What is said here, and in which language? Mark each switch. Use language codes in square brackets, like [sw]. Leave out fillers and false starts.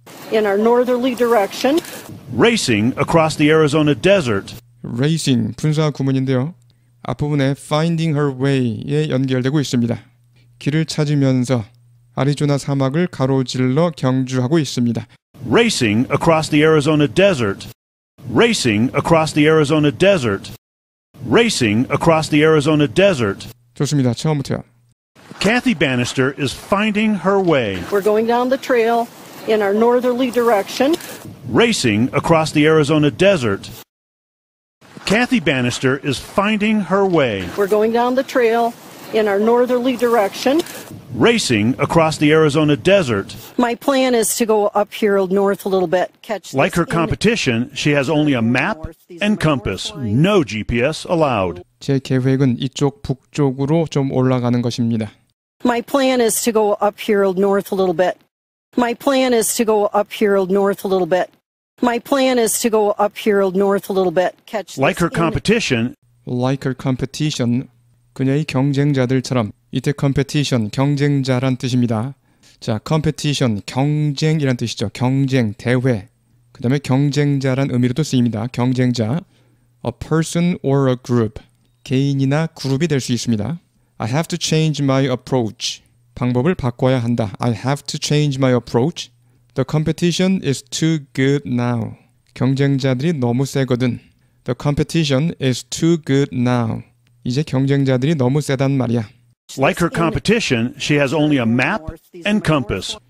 [en] in our northerly direction racing across the Arizona desert [ko] racing 분사 구문인데요. 앞부분에 [en] finding her way [ko] 에 연결되고 있습니다. 길을 찾으면서 아리조나 사막을 가로질러 경주하고 있습니다. [en] racing across the Arizona desert racing across the Arizona desert racing across the Arizona desert [ko] 좋습니다. 처음부터요. [en] Kathy Bannister is finding her way. We're going down the trail in our northerly direction. Racing across the Arizona desert. Kathy Bannister is finding her way. We're going down the trail in our northerly direction. Racing across the Arizona desert. My plan is to go up here north a little bit. Like her competition, she has only a map and compass. No GPS allowed. [ko] 제 계획은 이쪽 북쪽으로 좀 올라가는 것입니다. [en] My plan is to go up here north a little bit. My plan is to go up here north a little bit. My plan is to go up here north a little bit. Catch like her competition. Like her competition. [ko] 그녀의 경쟁자들처럼. 이때 competition, 경쟁자란 뜻입니다. 자, competition, 경쟁이란 뜻이죠. 경쟁, 대회. 그 다음에 경쟁자란 의미로도 쓰입니다. [en] 경쟁자. A person or a group. [ko] 개인이나 그룹이 될 수 있습니다. [en] I have to change my approach. [ko] 방법을 바꿔야 한다. [en] I have to change my approach. The competition is too good now. [ko] 경쟁자들이 너무 세거든. [en] The competition is too good now. [ko] 이제 경쟁자들이 너무 세단 말이야. [en] Like her competition, she has only a map and compass.